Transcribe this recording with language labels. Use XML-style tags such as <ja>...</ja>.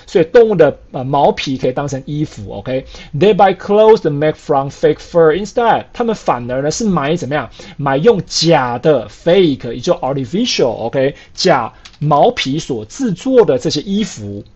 <zh>所以动物的毛皮可以当成衣服 ，OK?</zh> <en>They buy clothes that make from fake fur instead.</en> <zh>他们反而呢是买怎么样？买用假的 fake， 也就 artificial， OK？假毛皮所制作的这些衣服。</zh>